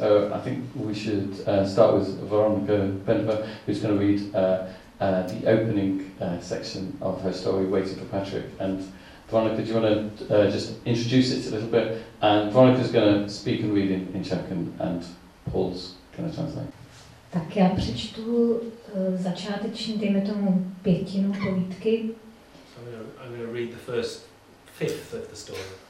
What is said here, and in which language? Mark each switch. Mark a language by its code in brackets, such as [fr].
[en] I think we should start with Veronica Bendva, who's going to read the opening section of her story, Waiting for Patrick. And Veronica, do you want to just introduce it a little bit? And Veronica's going to speak and read in Czech, and Paul's going to translate. [cs] Tak já přečtu začáteční, dejme tomu pětinu povídky. [en] I'm going to read the first fifth of the story.